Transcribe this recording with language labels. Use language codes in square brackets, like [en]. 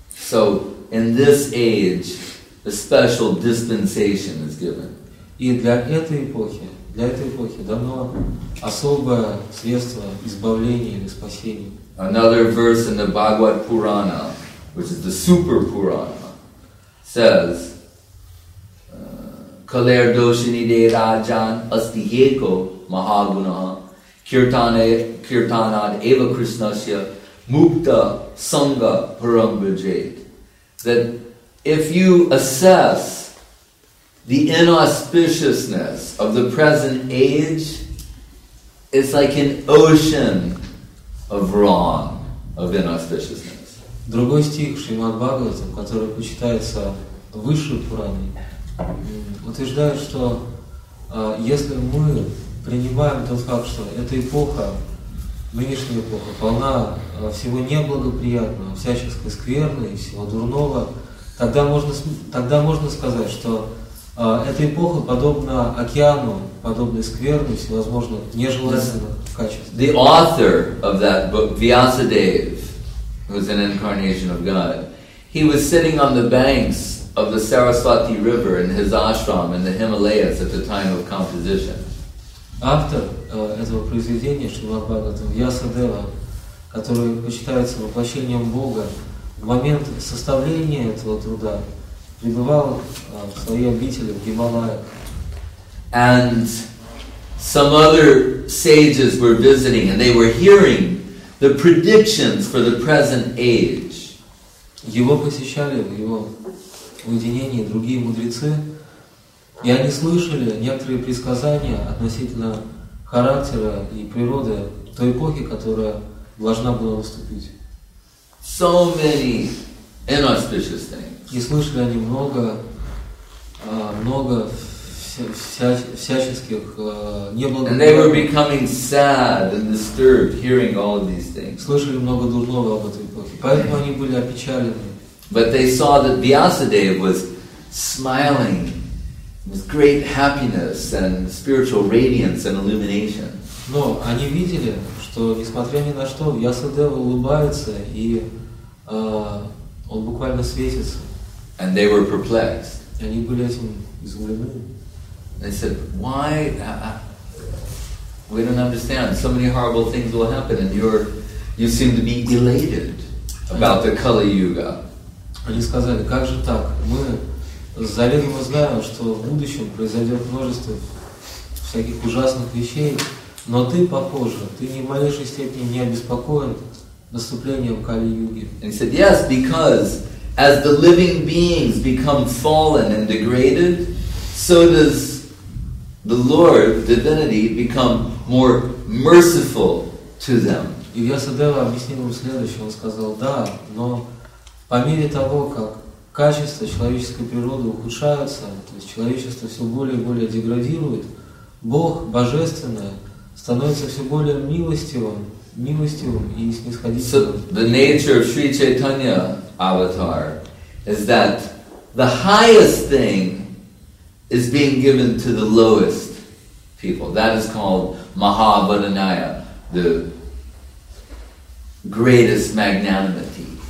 [en] So in this age, a special dispensation is given. [ru] И для этой эпохи дано особое средство избавления или спасения. [en] Another verse in the Bhagavad Purana, which is the Super Purana, says, [sa] Kaler Doshini De Rajan Astiheko Mahaguna Kirtane Kirtanad Eva Krishnasya Mukta Sangha Parambrajate. [en] That if you assess the inauspiciousness of the present age, it's like an ocean of wrong, of inauspiciousness. [ru] Другой стих Шримад Бхагаватам, который почитается Высшей Пуране, утверждает, что если мы принимаем тот факт, что эта эпоха, нынешняя эпоха, полна всего неблагоприятного, всяческой скверны и всего дурного, тогда можно сказать, что эта эпоха подобна океану, подобной скверны, всевозможных нежелательных качеств. [en] The author of that book, Vyasadeva, who's an incarnation of God, he was sitting on the banks of the Saraswati River in his ashram in the Himalayas at the time of composition. [ru] Автор этого произведения, Шримад Бхагаватам, Вьясадева, который почитается воплощением Бога, в момент составления этого труда пребывал в своей обители в Гималаях. [en] And some other sages were visiting, and they were hearing the predictions for the present age. [ru] Его посещали в его уединении другие мудрецы, и они слышали некоторые предсказания относительно характера и природы той эпохи, которая должна была наступить. [en] So many inauspicious things. [ru] И слышали они много, много всяческих неблагоприятных. [en] And they were becoming sad and disturbed hearing all of these things. [ru] Слышали много дурного об этой эпохе, поэтому они были опечалены. [en] But they saw that Vyasadeva was smiling with great happiness and spiritual radiance and illumination. [ru] Но они видели, что несмотря ни на что, Вьясадева улыбается и он буквально светится. [en] And they were perplexed. [ru] Они были этим изумлены. [en] They said, "Why? We don't understand. So many horrible things will happen, and you seem to be elated about the Kali Yuga." [ru] Они сказали, как же так? Мы заведомо знаем, что в будущем произойдет множество всяких ужасных вещей, но ты, похоже, ты ни в малейшей степени не обеспокоен наступлением Кали-Юги. [en] And he said, yes, because as the living beings become fallen and degraded, so does the Lord, divinity, become more merciful to them. [ru] И Вьясадева объяснил ему следующее. Он сказал, да, но по мере того, как качество человеческой природы ухудшается, то есть человечество все более и более деградирует, Бог Божественное становится все более милостивым и снисходительным. [en] So the nature of Sri Chaitanya avatar is that the highest thing is being given to the lowest people. That is called Mahabhadanaya, the greatest magnanimity.